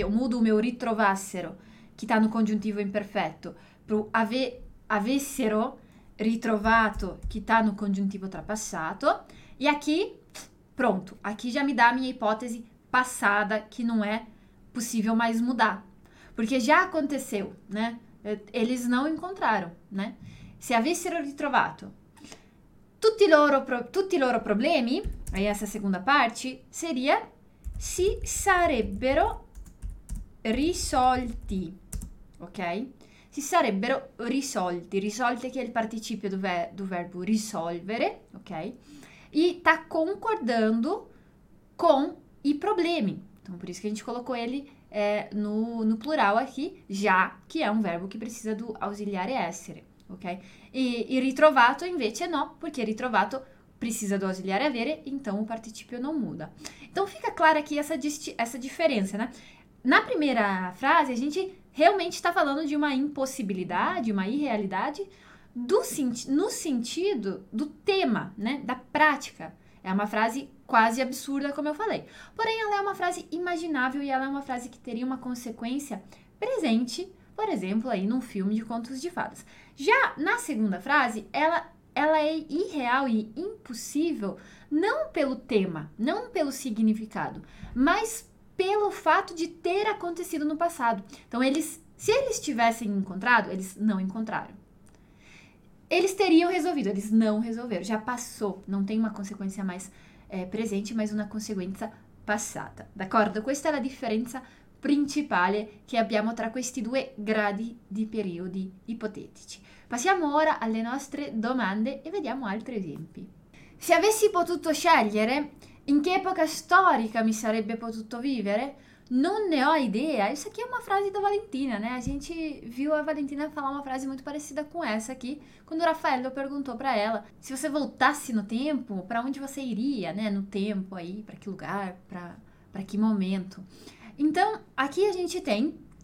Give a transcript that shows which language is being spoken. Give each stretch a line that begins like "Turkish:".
Portuguese: Eu mudo o meu ritrovassero, que está no congiuntivo imperfeito, pro avessero ritrovato, que está no congiuntivo ultrapassato. E aqui, pronto, aqui já me dá a minha hipótese passada, que não é possível mais mudar. Porque já aconteceu, né? Eles não encontraram, né?
Italian: Se avessero ritrovato tutti i loro problemi,
Portuguese: aí essa segunda parte, seria
Italian: si sarebbero risolti. Ok? Si sarebbero risolti, risolti che è il participio
Portuguese: do verbo
Italian: risolvere, ok?
Portuguese: E tá concordando com i problemi. Então, por isso que a gente colocou ele no plural aqui, já que é um verbo que precisa do ausiliare essere, ok? E
Italian: ritrovato invece no, perché ritrovato
Portuguese: precisa do ausiliare avere, então o participio non muda. Então, fica clara aqui essa differenza, né? Na primeira frase, a gente realmente está falando de uma impossibilidade, uma irrealidade do senti no sentido do tema, né? Da prática. É uma frase quase absurda, como eu falei. Porém, ela é uma frase imaginável e ela é uma frase que teria uma consequência presente, por exemplo, aí num filme de contos de fadas. Já na segunda frase, ela é irreal e impossível não pelo tema, não pelo significado, mas pelo fato de ter acontecido no passado. Então, se eles tivessem encontrado, eles não encontraram. Eles teriam resolvido, eles não resolveram. Já passou, não tem uma consequência mais presente, mas uma consequência passada.
Italian: D'accordo? Questa è la differenza principale che abbiamo tra questi due gradi di periodi ipotetici. Passiamo ora alle nostre domande e vediamo altri esempi. Se avessi potuto scegliere, in che epoca storica mi sarebbe potuto vivere? Non ne ho idea.
Portuguese: Isso aqui è una frase da Valentina, né? A gente viu a Valentina falar uma frase muito parecida com essa aqui, quando o Raffaello perguntou para ela: se você voltasse no tempo, para onde você iria, né? No tempo aí, para que lugar, para que momento? Então, aqui a gente tem